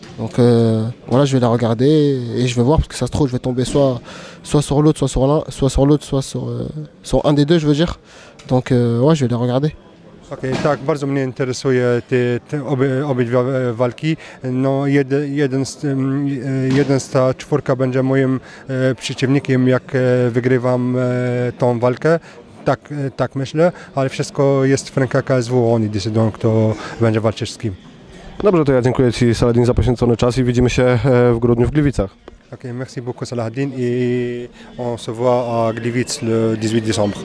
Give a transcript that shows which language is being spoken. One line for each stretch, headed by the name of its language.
French: Donc voilà, je vais les regarder et je vais voir, parce que ça se trouve, je vais tomber soit sur l'autre, soit sur l'un, soit sur l'autre, soit sur un des deux, je veux dire. Donc ouais, je vais les regarder.
Polish: Okay, tak, bardzo mnie interesuje obydwie walki. No, jeden z ta czwórka będzie moim przeciwnikiem, jak wygrywam tą walkę. Tak myślę, ale wszystko jest w rękach KSW. Oni decydują, kto będzie walczyć z kim. Dobrze, to ja dziękuję ci, Saladin, za poświęcony czas i widzimy się w grudniu w Gliwicach.
French: Ok, merci beaucoup, Saladin, i on se voit à Gliwice le 18 décembre.